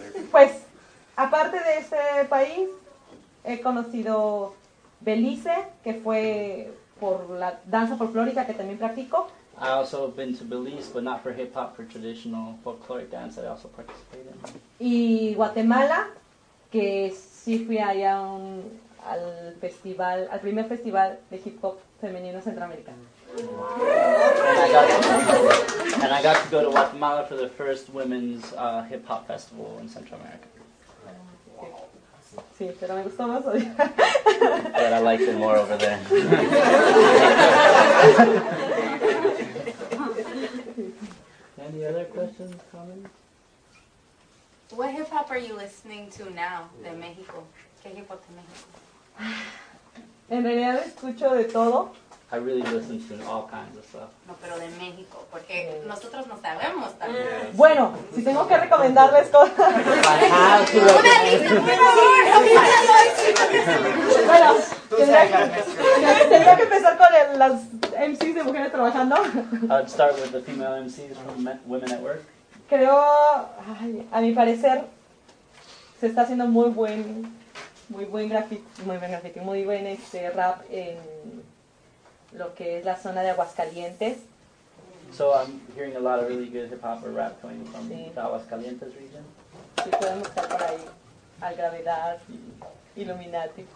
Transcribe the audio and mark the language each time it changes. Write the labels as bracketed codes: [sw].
[es] Pues, aparte de este país, he conocido Belice, que fue por la danza folclórica que también practico. [en] I also have been to Belize, but not for hip hop, for traditional folkloric dance that I also participated in. [es] Y Guatemala, que sí fui allá al primer festival de hip hop femenino centroamericano. [en] And I got to go to Guatemala for the first women's hip hop festival in Central America. [es] Sí, pero me gustó más allá. [en] But I liked it more over there. Any other questions, comments? What hip hop are you listening to now in Mexico? [es] En realidad escucho de todo. [en] I really listen to all kinds of stuff. [es] No, pero de México, porque nosotros no sabemos también. Bueno, si tengo que recomendarles cosas. Una lista, por favor. Bueno, tendría que empezar con las MCs de mujeres trabajando. [en] I'd start with the female MCs from Women at Work. [es] Creo, a mi parecer, se está haciendo muy buen rap en lo que es la zona de Aguascalientes. [en] So I'm hearing a lot of really good hip hop or rap coming from the Aguascalientes region. [es] Sí, podemos estar por ahí, Al Gravedad, Illuminati.